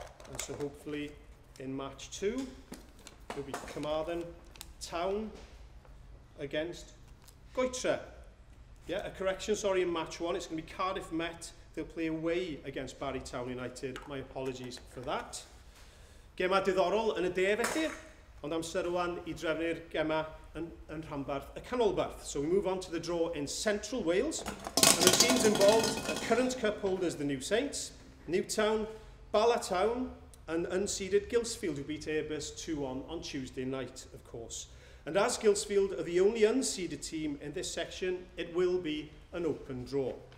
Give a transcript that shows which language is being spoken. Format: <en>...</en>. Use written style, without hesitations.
<en>And so hopefully in match two, it'll be Carmarthen Town against Goitre. Yeah, a correction, sorry, in match one. It's going to be Cardiff Met. They'll play away against Barry Town United. My apologies for that.</en> <cy>Gema diddorol yn y de, felly. Ond amser o'n I drefnu'r gema yn rhanbarth y canolbarth.</cy> <en>So we move on to the draw in Central Wales. And the teams involved are current cup holders, the New Saints, Newtown, Bala Town, and unseeded Gilsfield, who beat Airbus 2-1 on Tuesday night, of course. And as Gilsfield are the only unseeded team in this section, it will be an open draw.</en>